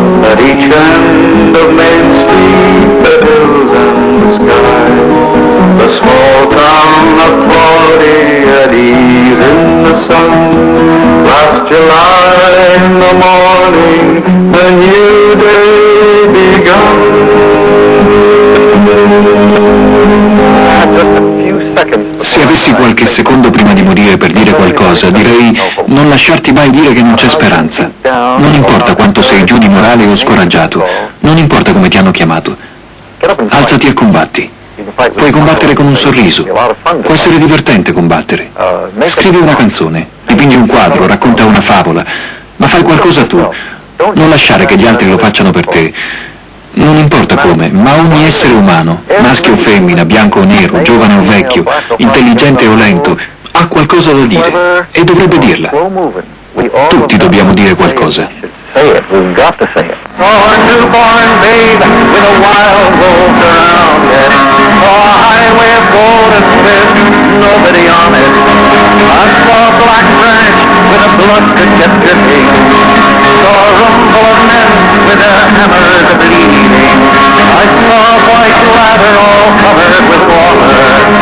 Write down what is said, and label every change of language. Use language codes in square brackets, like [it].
[en] At each end of Main Street, the hills and the sky, the small town of Florida at ease in the sun. Last July in the morning, a new day begun. [it] Se avessi qualche secondo prima di morire per dire qualcosa, direi: non lasciarti mai dire che non c'è speranza. Non importa quanto sei giù di morale o scoraggiato, non importa come ti hanno chiamato, alzati e combatti. Puoi combattere con un sorriso. Può essere divertente combattere. Scrivi una canzone, dipingi un quadro, racconta una favola, ma fai qualcosa tu. Non lasciare che gli altri lo facciano per te. Non importa come, ma ogni essere umano, maschio o femmina, bianco o nero, giovane o vecchio, intelligente o lento, ha qualcosa da dire e dovrebbe dirla. Tutti dobbiamo dire qualcosa. [en] I saw white lather all covered with water.